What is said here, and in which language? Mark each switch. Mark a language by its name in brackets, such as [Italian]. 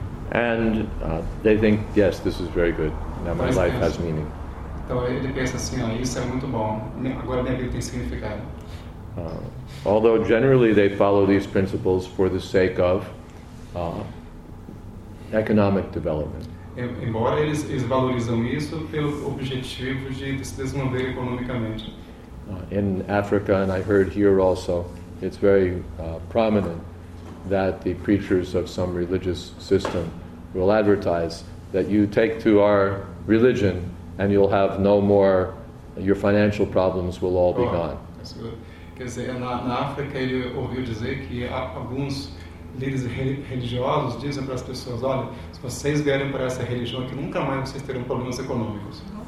[English] And they think, yes, this is very good. Now my life has meaning. [Portuguese] Então ele pensa assim, ah, isso é muito bom, agora minha vida tem significado. [English] Although generally they follow these principles for the sake of economic development. [Portuguese] Embora eles valorizam isso pelo objetivo de se desenvolver economicamente. [English] In Africa, and I heard here also, it's very prominent that the preachers of some religious system will advertise that you take to our religion and you'll have no more, your financial problems will all be gone. [Portuguese] Quer dizer, na África ele ouviu dizer que alguns líderes religiosos dizem para as pessoas, olha, se vocês vierem para essa religião aqui, nunca mais vocês terão problemas econômicos.